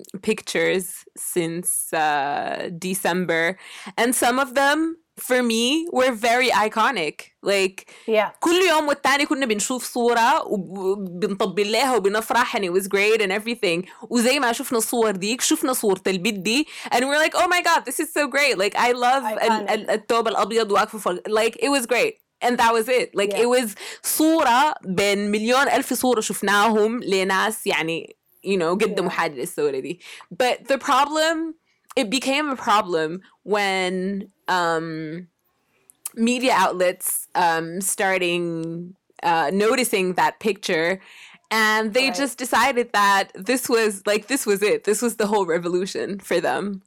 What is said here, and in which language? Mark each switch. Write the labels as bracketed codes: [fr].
[en] pictures since December, and some of them for me were very iconic. Like, yeah, [ar] كل يوم والتاني كنا بنشوف صورة وبنطبل لها وبنفرح, [en] and it was great and everything. [ar] وزي ما شفنا الصور ديك شفنا صورة البيت دي, [en] and we're like, oh my god, this is so great. Like, I love [ar] الثوب الأبيض واقف فوق. [en] Like, it was great. And that was it. Like, yeah. it was [ar] صورة بين مليون ألف صورة شفناهم لناس يعني. [en] You know, get the muhadidah solidity. But the problem, it became a problem when media outlets starting noticing that picture, and they right. just decided that this was, like, this was it. This was the whole revolution for them.